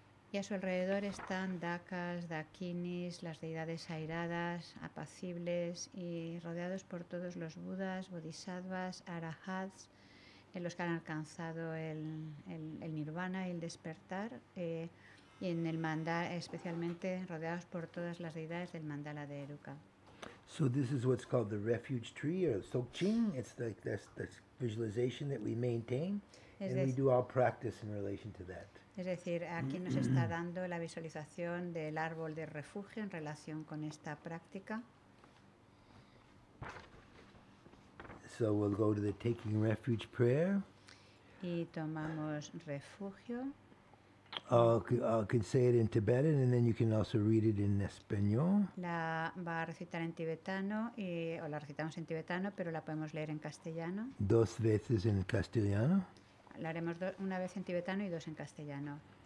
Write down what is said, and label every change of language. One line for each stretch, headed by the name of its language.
Spanish: Y a su alrededor están Dakas, Dakinis, las deidades airadas, apacibles y rodeados por todos los Budas, Bodhisattvas, Arahats, los que han alcanzado el Nirvana y el despertar, y en el mandala, especialmente rodeados por todas las deidades del mandala de Eruka.
English: So this is what's called the refuge tree or Sokchin. It's like that's the visualization that we maintain. And we do all practice in relation to that.
Spanish: Es decir, aquí nos está dando la visualización del árbol de refugio en relación con esta práctica.
English: So we'll go to the taking refuge prayer.
Spanish: Y tomamos refugio.
English: I can say it in Tibetan, and then you can also read it in español.
Spanish: La va a recitar en tibetano, o la recitamos en tibetano, pero la podemos leer en castellano. Dos veces en castellano. La haremos una vez en tibetano y dos en castellano.